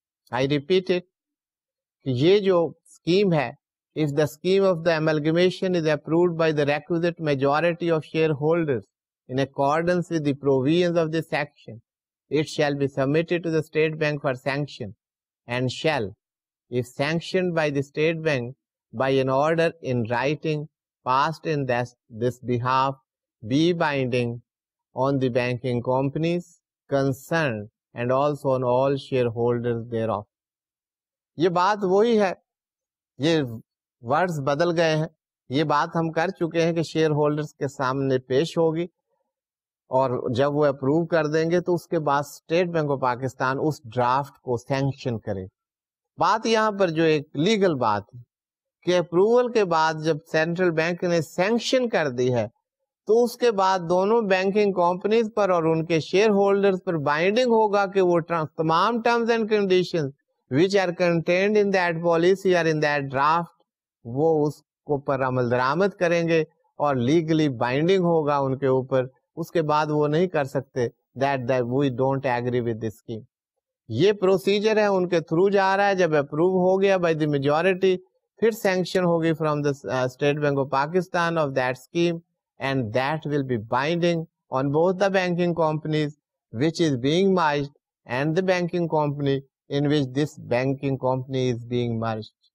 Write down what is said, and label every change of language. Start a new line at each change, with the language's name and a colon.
English: I repeat it,
Urdu: ye jo scheme hai,
English: if the scheme of the amalgamation is approved by the requisite majority of shareholders in accordance with the provisions of this section, it shall be submitted to the state bank for sanction, and shall, if sanctioned by the state bank by an order in writing passed in this behalf, be binding on the banking companies concerned and also on all shareholders thereof.
Urdu: یہ بات وہی ہے, یہ words بدل گئے ہیں. یہ بات ہم کر چکے ہیں کہ شیئر ہولڈرز کے سامنے پیش ہوگی, اور جب وہ اپروو کر دیں گے تو اس کے بعد state bank of Pakistan اس draft کو سینکشن کرے. بات یہاں پر جو ایک لیگل بات ہے کہ اپروول کے بعد جب سینٹرل بینک نے سینکشن کر دی ہے, تو اس کے بعد دونوں بینکنگ کمپنیز پر اور ان کے شیئر ہولڈرز پر بائنڈنگ ہوگا کہ وہ تمام terms and conditions
English: which are contained in that policy
Urdu: اور
English: in that draft,
Urdu: وہ اس کو پر عمل درآمد کریں گے اور لیگلی بائنڈنگ ہوگا ان کے اوپر. اس کے بعد وہ نہیں کر سکتے
English: That we don't agree with this scheme.
Urdu: یہ پروسیجر ہے, ان کے تھرو جا رہا ہے. جب اپروو ہو گیا
English: by the majority,
Urdu: پھر سینکشن ہوگی
English: From the state bank of Pakistan of that scheme, and that will be binding on both the banking companies which is being merged and the banking company in which this banking company is being merged.